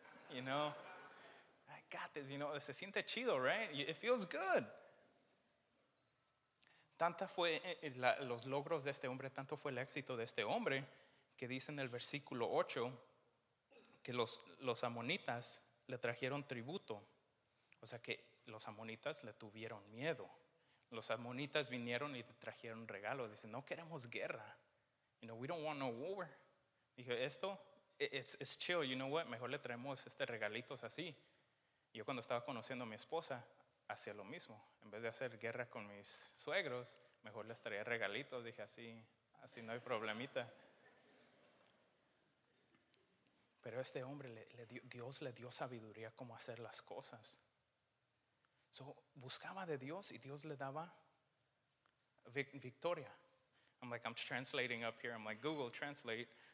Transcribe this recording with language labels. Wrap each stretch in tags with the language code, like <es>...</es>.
<en>You know, I got this, you know,</en> <es>se siente chido,</es> <en>right? It feels good.</en> <es>Tanta fue los logros de este hombre, tanto fue el éxito de este hombre, que dice en el versículo 8 que los amonitas le trajeron tributo. O sea que los amonitas le tuvieron miedo. Los amonitas vinieron y trajeron regalos. Dicen, no queremos guerra.</es> <en>You know, we don't want no war.</en> <es>Dije, esto,</es> <en>it's chill. You know what?</en> <es>Mejor le traemos este regalito así. Yo cuando estaba conociendo a mi esposa, hacía lo mismo, en vez de hacer guerra con mis suegros, mejor les traía regalitos, dije así no hay problemita. Pero este hombre, Dios le dio sabiduría cómo hacer las cosas. So, buscaba de Dios y Dios le daba victoria.</es> <en>I'm like, I'm translating up here, I'm like, Google Translate.</en>